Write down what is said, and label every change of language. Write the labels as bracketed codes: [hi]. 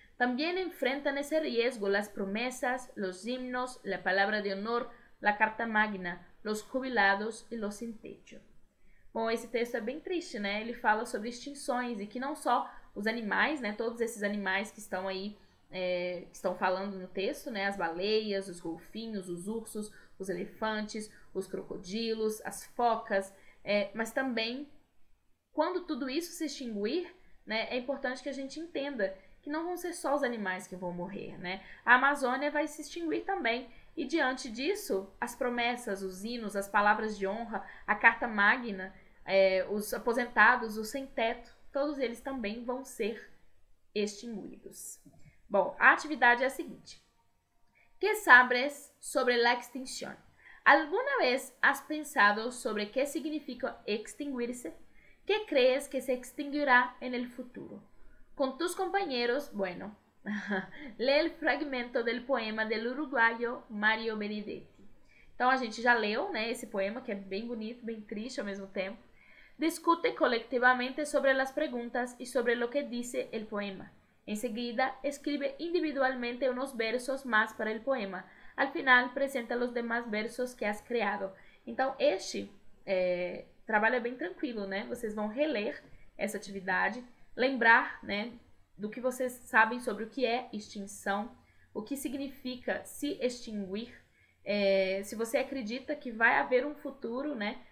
[es] También enfrentan ese riesgo las promesas, los himnos, la palabra de honor, la carta magna, los jubilados y los sin techo. [pt] Bom, esse texto é bem triste, né? Ele fala sobre extinções e que não só os animais, né? Todos esses animais que estão aí, que estão falando no texto, né? As baleias, os golfinhos, os ursos, os elefantes, os crocodilos, as focas, mas também quando tudo isso se extinguir, né? É importante que a gente entenda que não vão ser só os animais que vão morrer, né? A Amazônia vai se extinguir também. E diante disso, as promessas, os hinos, as palavras de honra, a carta magna, os aposentados, os sem teto, todos eles também vão ser extinguidos. Bom, a atividade é a seguinte: [es] ¿Qué sabes sobre la extinción? ¿Alguna vez has pensado sobre qué significa extinguirse? ¿Qué crees que se extinguirá en el futuro? Con tus compañeros, bueno. [pt] Lê o [es] fragmento del poema del uruguayo Mario Benedetti. [pt] Então a gente já leu, né, esse poema que é bem bonito, bem triste ao mesmo tempo. [es] Discute colectivamente [pt] sobre as perguntas e sobre o que [es] dice el poema. [pt] Em seguida, [es] escribe individualmente unos versos más para el poema. Al final, presenta los demás versos que has creado. [pt] Então este trabalho é bem tranquilo, né? Vocês vão reler essa atividade, lembrar, né, do que vocês sabem sobre o que é extinção, o que significa se extinguir, se você acredita que vai haver um futuro, né?